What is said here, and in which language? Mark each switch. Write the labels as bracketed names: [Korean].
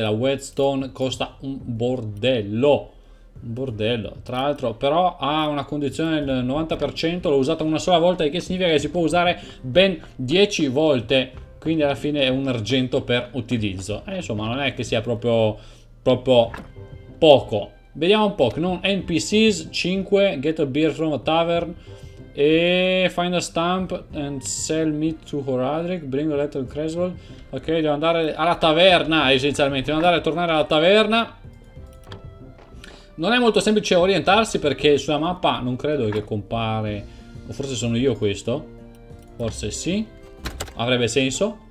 [Italian] La Whetstone costa un bordello. Bordello, tra l'altro, però ha una condizione del 90%. L'ho usata una sola volta, che significa che si può usare ben 10 volte. Quindi alla fine è un argento per utilizzo. Insomma, non è che sia proprio poco. Vediamo un po'. Non [English] NPCs 5. Get a beer from a tavern. E find a stamp and sell meat to Horadric. Bring a letter to Creswell. [Italian] Ok, devo andare alla taverna essenzialmente. Devo andare a tornare alla taverna. Non è molto semplice orientarsi perché sulla mappa non credo che compare. O forse sono io questo. Forse sì. Avrebbe senso.